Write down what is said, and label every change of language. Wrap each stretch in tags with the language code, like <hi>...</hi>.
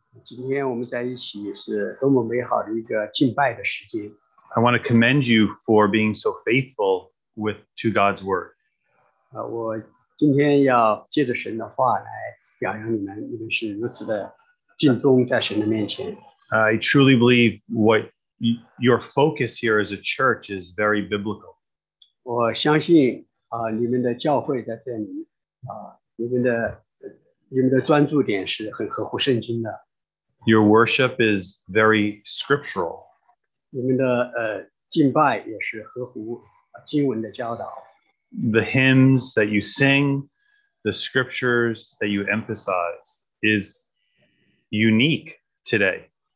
<en>I want to commend you for being so faithful with to God's word. I truly believe what your focus here as a church is very biblical.</en> <zh>我相信, 你们的教会在这里, 你们的专注点是很合乎圣经的。</zh> <en>Your worship is very scriptural.</en> <zh>你们的, 敬拜也是合乎经文的教导。</zh> <en>The hymns that you sing, the scriptures that you emphasize is unique today.</en>